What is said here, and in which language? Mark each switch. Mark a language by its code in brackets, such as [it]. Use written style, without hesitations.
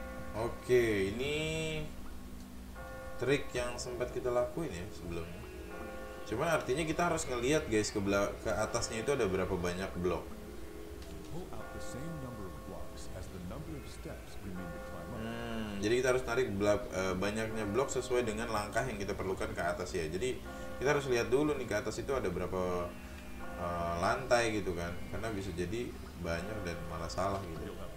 [id] Okay, ini trik yang sempat kita lakuin ya sebelumnya. Cuman artinya kita harus ngelihat guys ke atasnya itu ada berapa banyak blok. [en] Pull out the same number of blocks as the number of steps we need to climb up. [id] Jadi kita harus tarik banyaknya blok sesuai dengan langkah yang kita perlukan ke atas ya. Jadi kita harus lihat dulu nih ke atas itu ada berapa lantai gitu kan. Karena bisa jadi banyak dan malah salah gitu.